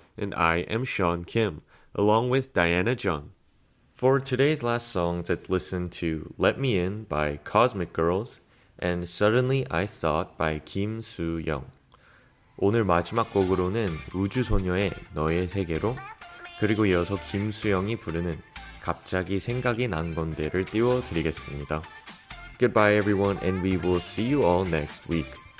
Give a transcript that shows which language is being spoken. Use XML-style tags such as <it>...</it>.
<en>And I am Sean Kim, along with Diana Jung. For today's last song, let's listen to Let Me In by Cosmic Girls. And Suddenly I Thought by Kim Soo-young.</en> <ko>오늘 마지막 곡으로는 우주소녀의 너의 세계로 그리고 이어서 김수영이 부르는 갑자기 생각이 난 건데를 띄워드리겠습니다.</ko> <en>Goodbye everyone and we will see you all next week.</en>